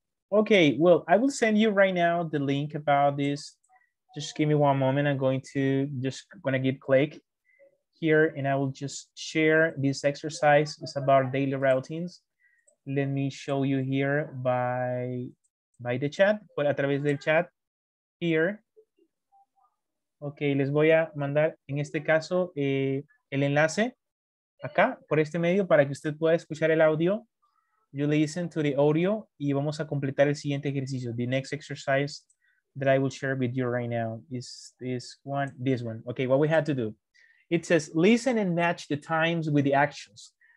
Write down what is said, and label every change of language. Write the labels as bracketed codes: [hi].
[en] Okay, well, I will send you right now the link about this Just give me one moment. I'm going to give click here, and I will just share this exercise. It's about daily routines. Let me show you here by the chat, but [es] a través del chat [en] here. [es] Okay, les voy a mandar en este caso el enlace acá por este medio para que usted pueda escuchar el audio. [en] You listen to the audio [es] y vamos a completar el siguiente ejercicio. [en] The next exercise that I will share with you right now is this one. Okay, what we had to do. It says, listen and match the times with the actions.